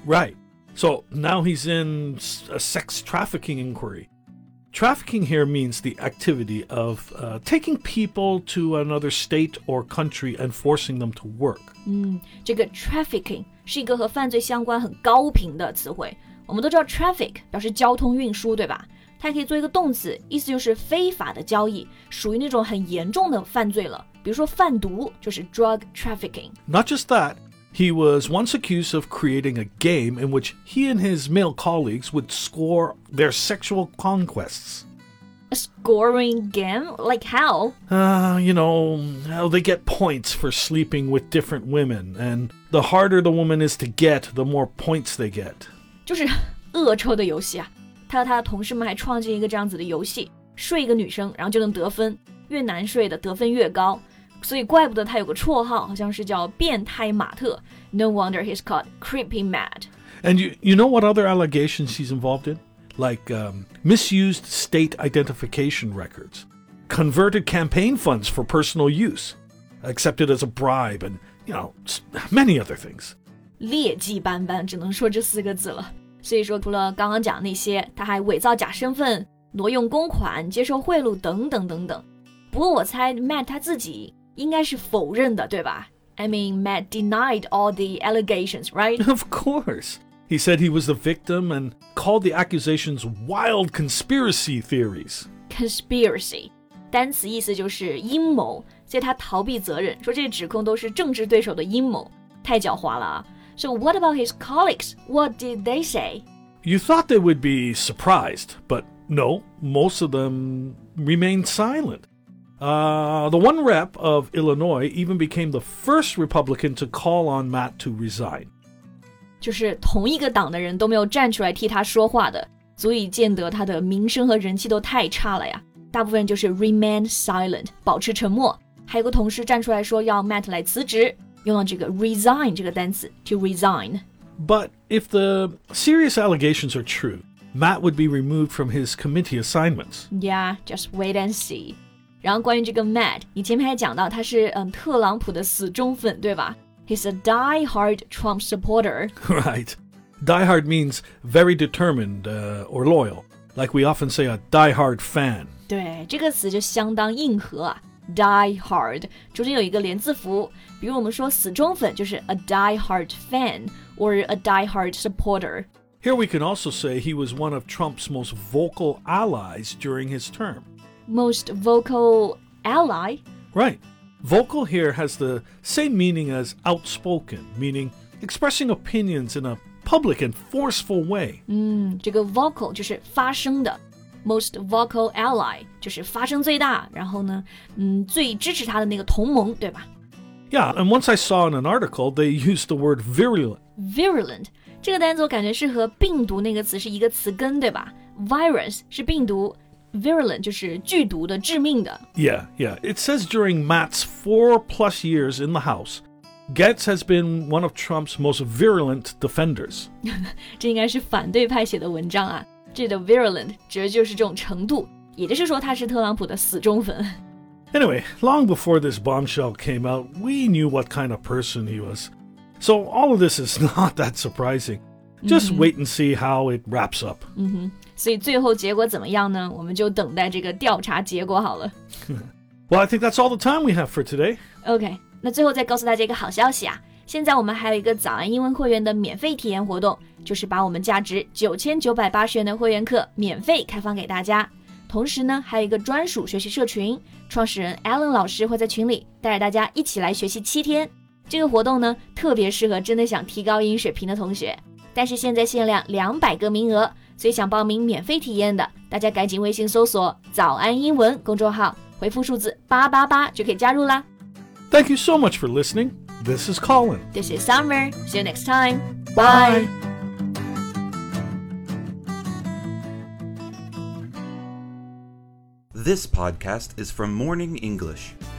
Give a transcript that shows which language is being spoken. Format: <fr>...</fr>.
<en>Right, so now he's in a sex trafficking inquiry Trafficking here means the activity of taking people to another state or country and forcing them to work.</en> <zh>这个 trafficking 是一个和犯罪相关很高频的词汇。我们都知道 traffic 表示交通运输，对吧？它可以做一个动词，意思就是非法的交易，属于那种很严重的犯罪了。比如说贩毒就是 drug trafficking.</zh> <en>Not just that, he was once accused of creating a game in which he and his male colleagues would score their sexual conquests. A scoring game? Like how? How they get points for sleeping with different women, and the harder the woman is to get, the more points they get.</en> <zh>就是恶臭的游戏啊。他和他的同事们还创建一个这样子的游戏，睡一个女生然后就能得分，越难睡的得分越高，所以怪不得他有个绰号，好像是叫变态马特。</zh> <en>No wonder he's called Creepy Matt. And you know what other allegations he's involved in? Like misused state identification records, converted campaign funds for personal use, accepted as a bribe, and many other things.</en> <zh>劣迹斑斑，只能说这四个字了。所以说除了刚刚讲那些，他还伪造假身份，挪用公款，接受贿赂等等等等。不过我猜 Matt 他自己应该是否认的，对吧？</zh> <en>I mean, Matt denied all the allegations, right? Of course. He said he was the victim and called the accusations wild conspiracy theories. Conspiracy.</en> <zh>单词意思就是阴谋，所以他逃避责任，说这些指控都是政治对手的阴谋。太狡猾了啊。</zh> <en>So what about his colleagues? What did they say? You thought they would be surprised, but no, most of them remained silent. The one rep of Illinois even became the first Republican to call on Matt to resign.</en> <zh>就是同一个党的人都没有站出来替他说话的，足以见得他的名声和人气都太差了呀。大部分就是</zh> <en>remain silent,</en> <zh>保持沉默。还有个同事站出来说要 Matt 来辞职。用了这个 resign 这个单词 to resign.</zh> <en>But if the serious allegations are true, Matt would be removed from his committee assignments. Yeah, just wait and see.</en> <zh>然后关于这个 Matt, 你前面还讲到他是特朗普的死忠粉，对吧？</zh> <en>He's a die-hard Trump supporter. Right. Die-hard means very determined or loyal. Like we often say a die-hard fan.</en> <zh>对，这个词就相当硬核啊。 Die hard, 中间有一个连字符，比如我们说死忠粉就是</zh> <en>a die hard fan or a die hard supporter. Here we can also say he was one of Trump's most vocal allies during his term. Most vocal ally? Right. Vocal here has the same meaning as outspoken, meaning expressing opinions in a public and forceful way.</en> <zh>这个 vocal 就是发声的。</zh> <en>Most vocal ally</en> <zh>就是发声最大，然后呢，最支持他的那个同盟，对吧？</zh> <en>Yeah, and once I saw in an article, they used the word virulent.</en> <zh>Virulent 这个单词我感觉是和病毒那个词是一个词根，对吧？ Virus 是病毒， virulent 就是剧毒的，致命的。</zh> <en>Yeah, yeah. It says during Matt's 4+ years in the House, Getz has been one of Trump's most virulent defenders.</en> <zh>这应该是反对派写的文章啊。这个 virulent 指的就是这种程度，也就是说他是特朗普的死忠粉。</zh> <en>Anyway, long before this bombshell came out, we knew what kind of person he was. So all of this is not that surprising. Just wait and see how it wraps up.</en> <zh>所以最后结果怎么样呢？我们就等待这个调查结果好了。</zh> <en>Well, I think that's all the time we have for today.</en> <zh>Okay, 那最后再告诉大家一个好消息啊。现在我们还有一个早安英文会员的免费体验活动，就是把我们价值9980元的会员课免费开放给大家。同时呢，还有一个专属学习社群，创始人 Alan 老师会在群里带着大家一起来学习7天。这个活动呢，特别适合真的想提高英语水平的同学，但是现在限量200个名额，所以想报名免费体验的，大家赶紧微信搜索早安英文公众号，回复数字888就可以加入啦。</zh> <en>Thank you so much for listening. This is Colin. This is Summer. See you next time. Bye. Bye. This podcast is from Morning English.</en>